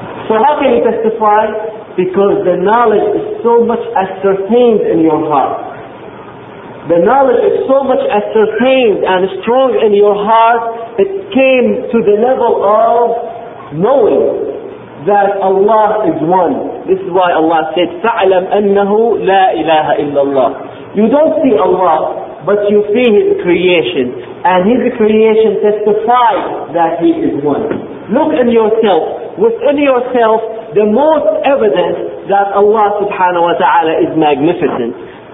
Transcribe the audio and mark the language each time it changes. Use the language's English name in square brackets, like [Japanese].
[English] So how can you testify? Because the knowledge is so much ascertained in your heart. The knowledge is so much ascertained and strong in your heart, it came to the level of knowing that Allah is one. This is why Allah said, [Arabic] فَعْلَمْ أَنَّهُ لَا إِلَهَ إِلَّا اللَّهِ. [English] You don't see Allah, but you see His creation. And His creation testifies that He is one. Look in yourself. Within yourself, the most evidence that Allah subhanahu wa ta'ala is magnificent.